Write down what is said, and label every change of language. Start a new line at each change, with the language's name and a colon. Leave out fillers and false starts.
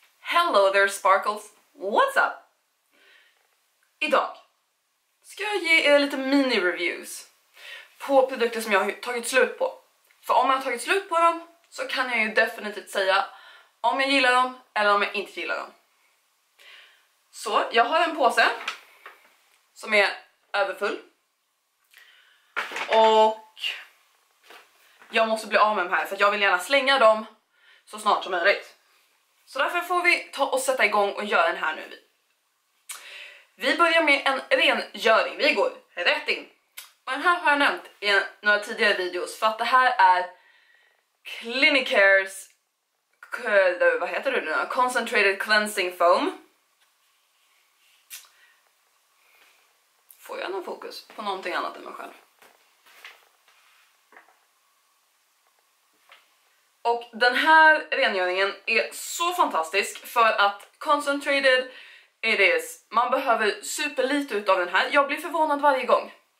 English: Hello there sparkles, what's up?
Swedish: Idag ska jag ge er lite mini-reviews på produkter som jag har tagit slut på. För om jag har tagit slut på dem så kan jag ju definitivt säga om jag gillar dem eller om jag inte gillar dem. Så jag har en påse som är överfull. Och jag måste bli av med dem här för jag vill gärna slänga dem så snart som möjligt. Så därför får vi ta och sätta igång och göra den här nu. Vi börjar med en rengöring. Vi går rätt in. Och den här har jag nämnt i några tidigare videos. För att det här är Clinicares, vad heter det nu? Concentrated Cleansing Foam. Får jag någon fokus på någonting annat än mig själv? Och den här rengöringen är så fantastisk för att
English: concentrated it is.
Swedish: Man behöver superlite utav den här. Jag blir förvånad varje gång.